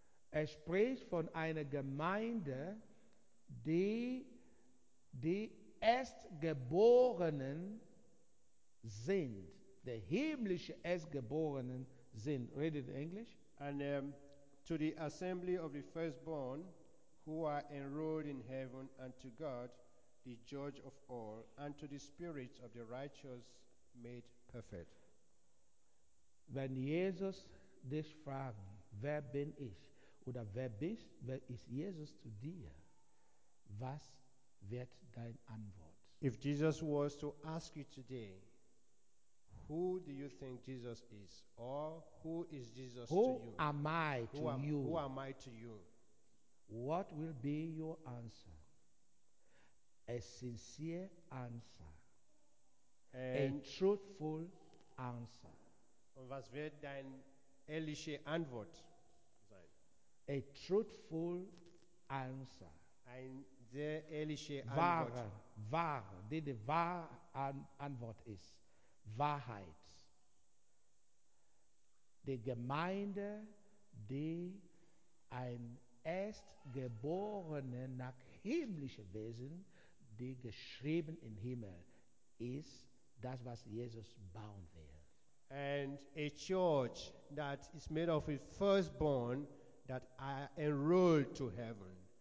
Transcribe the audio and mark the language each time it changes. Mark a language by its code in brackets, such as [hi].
[de] Er spricht von einer Gemeinde, die die Erstgeborenen sind, der himmlische Erstgeborenen sind. [en] Read it in English. And to the assembly of the firstborn who are enrolled in heaven, and to God, the judge of all, and to the spirits of the righteous made perfect. [de] Wenn Jesus dich fragen, wer bin ich, oder wer bist, wer ist Jesus zu dir, was wird dein Antwort? [en] If Jesus was to ask you today, who do you think Jesus is, or who is Jesus who to you? Who am I to you? What will be your answer? A sincere answer. And a truthful answer. [de] Und was wird dein ehrliche Antwort sein? [en] A truthful answer. [de] Ein sehr ehrliche Antwort. Die wahre Antwort ist Wahrheit. Die Gemeinde, die ein Erstgeborene nach himmlischen Wesen, die geschrieben im Himmel, ist das, was Jesus bauen will. [en] And a church that is made of a firstborn that are enrolled to heaven.